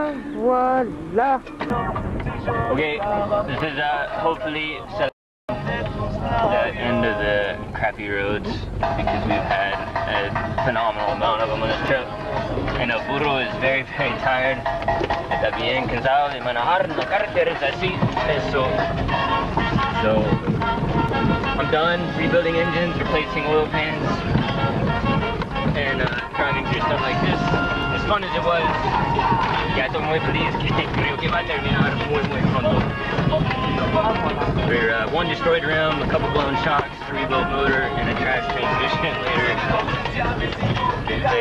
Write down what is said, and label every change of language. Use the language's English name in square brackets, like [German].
[English] Voila. Okay, this is hopefully the end of the crappy roads, because we've had a phenomenal amount of them on this trip. I know Burro is very, very tired. [Spanish] Está bien cansado de manejar las carreteras así. [English] So I'm done rebuilding engines, replacing oil pans. And driving through stuff like this, as fun as it was, yeah, I'm very pleased. [Spanish] Creo que va a terminar muy muy pronto. [English] We're one destroyed rim, a couple blown shocks, 3-bolt motor, and a trash transmission later.